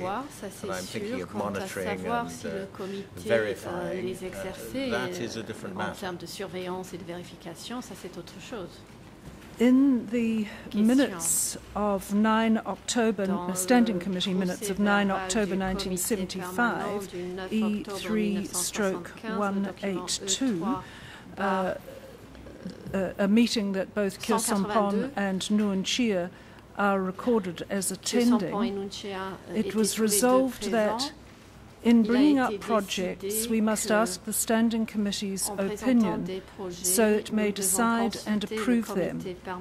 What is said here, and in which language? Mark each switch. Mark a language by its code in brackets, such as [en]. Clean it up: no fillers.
[en] and I'm thinking of monitoring and verifying, that is a different matter. [fr] En termes de surveillance et de vérification, ça c'est autre chose. [en] In the minutes of 9 October, standing committee minutes of 9 October 1975, E3/182, a meeting that both Kyo Sampon and Nguyen Chia are recorded as attending, it was resolved that in bringing up projects, we must ask the standing committee's opinion so it may decide and approve them.